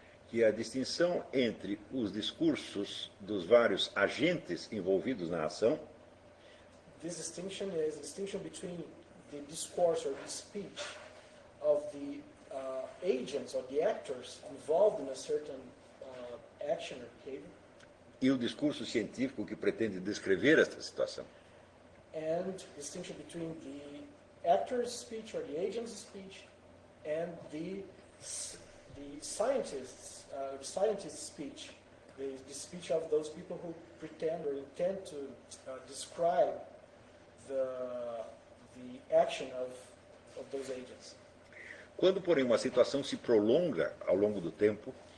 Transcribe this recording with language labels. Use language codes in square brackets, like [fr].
[pt] Que é a distinção entre os discursos dos vários agentes envolvidos na ação. [en] This distinction is a distinction between the discourse or the speech of the agents or the actors involved in a certain action or behavior. [pt] E o discurso científico que pretende descrever esta situação. [en] And the distinction between the actor's speech or the agent's speech and the scientist's speech, the speech of those people who pretend or intend to describe the action of those agents. [pt] Quando, porém, uma situação se prolonga ao longo do tempo,